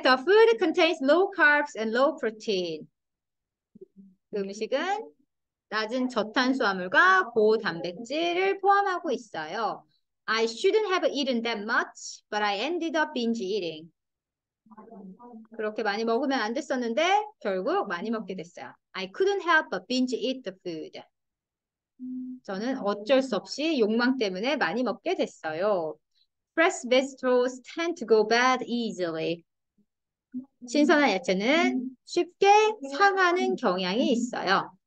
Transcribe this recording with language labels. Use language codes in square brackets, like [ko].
[en] The food contains low carbs and low protein. [ko] 그 음식은 낮은 저탄수화물과 고단백질을 포함하고 있어요. [en] I shouldn't have eaten that much, but I ended up binge eating. [ko] 그렇게 많이 먹으면 안 됐었는데 결국 많이 먹게 됐어요. [en] I couldn't help but binge eat the food. [ko] 저는 어쩔 수 없이 욕망 때문에 많이 먹게 됐어요. [en] Fresh vegetables tend to go bad easily. [ko] 신선한 야채는 쉽게 상하는 경향이 있어요.